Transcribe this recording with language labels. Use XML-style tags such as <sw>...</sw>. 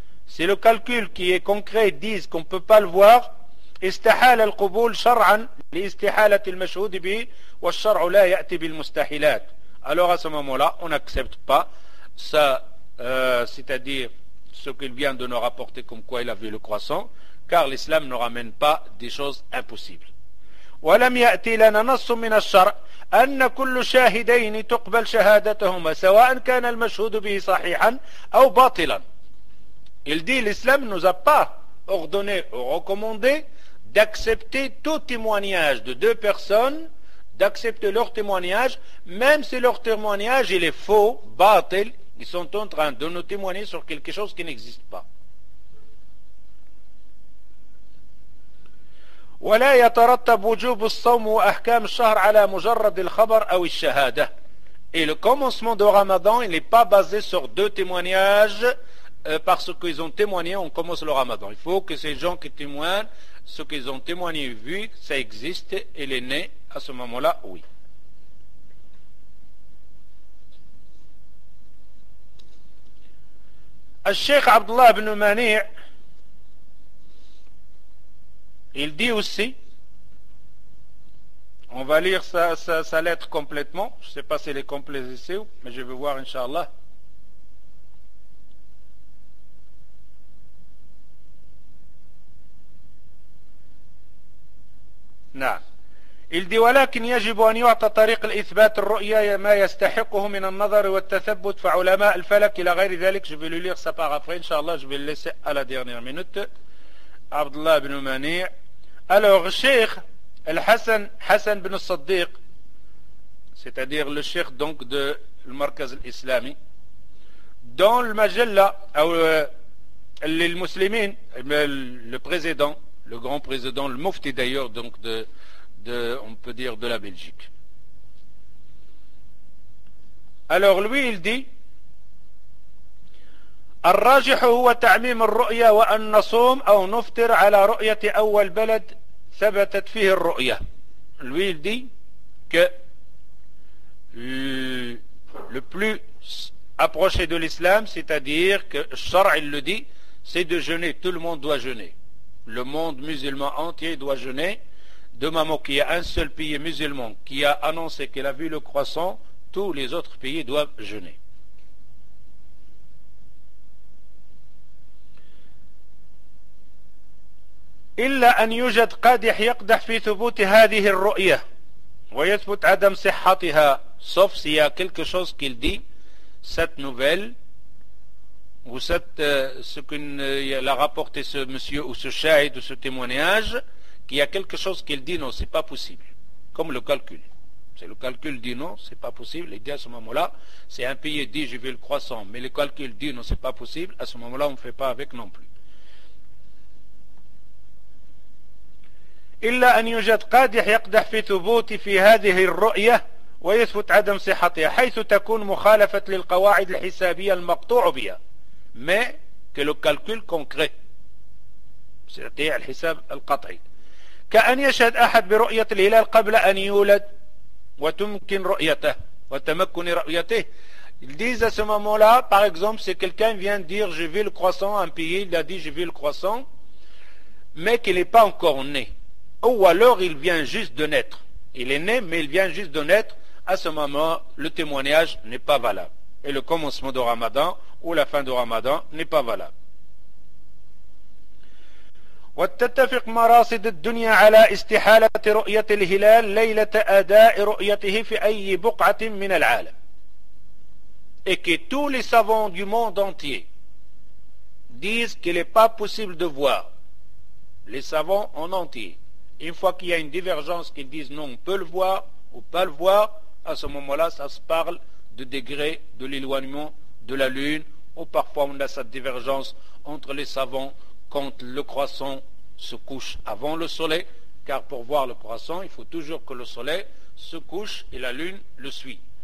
<fr>Si le calcul qui est concret dit qu'on ne peut pas le voir,</fr> <ar>استحال القبول شرعا لاستحالة المشهود به والشرع لا يأتي بالمستحيلات.</ar> <fr>Alors à ce moment-là, on n'accepte pas ça, c'est-à-dire ce qu'il vient de nous rapporter comme quoi il a vu le croissant, car l'islam ne ramène pas des choses impossibles.</fr> <ar>ولم يأتي لنا نص من الشرع أن كل شاهدين تقبل شهادتهما سواء كان المشهود به صحيحا أو باطلا.</ar> <fr>Il dit l'islam ne nous a pas ordonné ou recommandé d'accepter tout témoignage de deux personnes, d'accepter leur témoignage, même si leur témoignage il est faux, batil, ils sont en train de nous témoigner sur quelque chose qui n'existe pas.</fr> <ar>ولا يترتب وجوب الصوم وأحكام الشهر على مجرد الخبر أو الشهادة.</ar> <fr>Et le commencement de Ramadan, il n'est pas basé sur deux témoignages. Parce qu'ils ont témoigné, on commence le ramadan. Il faut que ces gens qui témoignent, ce qu'ils ont témoigné, vu, ça existe, il est né à ce moment-là, oui. Al-Sheikh Abdullah ibn Mani', il dit aussi, on va lire sa lettre complètement, je ne sais pas si elle est complète ici, mais je vais voir, Inch'Allah.</fr> <ar>نعم.</ar> <fr>Il dit</fr> <ar>ولكن يجب أن يعطى طريق الإثبات الرؤية ما يستحقه من النظر والتثبت فعلماء الفلك إلى غير ذلك.</ar> <fr>Je vais le lire ça par après, Inch'Allah, je vais le laisser à la dernière minute. Abdullah ibn Mani'. Alors, Sheikh Al-Hassan, Hassan ibn Saddiq, c'est-à-dire le Sheikh donc de le Markaz al-Islami, dans le Majalla, ou les musulmans, le président, le grand président, le mufti d'ailleurs, donc on peut dire de la Belgique. Alors lui, il dit</fr> <ar>الراجح هو تعميم الرؤيا وأن نصوم أو نفطر على رؤية أول بلد ثبتت فيه الرؤيا.</ar> <fr>Lui, il dit que le plus approché de l'islam, c'est-à-dire que الشرع, il le dit, c'est de jeûner. Tout le monde doit jeûner. Le monde musulman entier doit jeûner. De même qu'il y a un seul pays musulman qui a annoncé qu'il a vu le croissant, tous les autres pays doivent jeûner.</fr> <ar>إلا أن يوجد قادح يقدح في ثبوت هذه الرؤية ويثبت عدم صحتها.</ar> <fr>Sauf s'il y a quelque chose qu'il dit, cette nouvelle, ou ce qu'il a rapporté ce monsieur ou ce shahid ou ce témoignage, qu'il y a quelque chose qu'il dit non, c'est pas possible, comme le calcul. Si le calcul dit non, c'est pas possible, il dit à ce moment-là, c'est un pays dit je veux le croissant, mais le calcul dit non, c'est pas possible, à ce moment-là on ne fait pas avec non plus.</fr> <ar>إلا أن يوجد قادح يقدح في ثبوت في هذه الرؤية ويثبت عدم صحتها حيث تكون مخالفة للقواعد الحسابية المقطوع بها.</ar> <fr>Mais que le calcul concret, c'est-à-dire le hisab al-qat'i,</fr> <ar>كأن يشهد أحد برؤية الهلال قبل أن يولد وتمكن رؤيته وتمكن رؤيته.</ar> <fr>Ils disent à ce moment-là, par exemple, si quelqu'un vient dire je vis le croissant, un pays, il a dit je vis le croissant, mais qu'il n'est pas encore né. Ou alors il vient juste de naître. Il est né, mais il vient juste de naître. À ce moment, le témoignage n'est pas valable. Et le commencement de Ramadan ou la fin de Ramadan n'est pas valable.</fr> <ar>وتتفق مراصد الدنيا على استحالة رؤية الهلال ليلة أداء رؤيته في أي بقعة من العالم.</ar> <fr>Et que tous les savants du monde entier disent qu'il n'est pas possible de voir, les savants en entier, une fois qu'il y a une divergence, qu'ils disent non, on peut le voir ou pas le voir, à ce moment-là, ça se parle de degré de l'éloignement de la lune, ou parfois on a cette divergence entre les savants quand le croissant se couche avant le soleil, car pour voir le croissant, il faut toujours que le soleil se couche et la lune le suit.</fr>